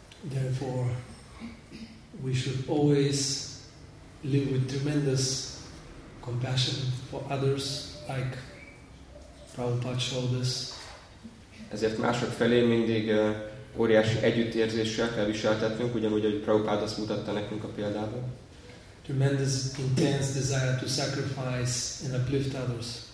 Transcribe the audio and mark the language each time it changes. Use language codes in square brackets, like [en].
[en] Therefore, we should always live with tremendous compassion for others, like Prabhupada showed us. [hu] Ezért mások felé mindig óriási együttérzéssel kell viseltetnünk, ugyanúgy, ahogy Prabhupada azt mutatta nekünk a példában. [en] Tremendous, intense desire to sacrifice and uplift others.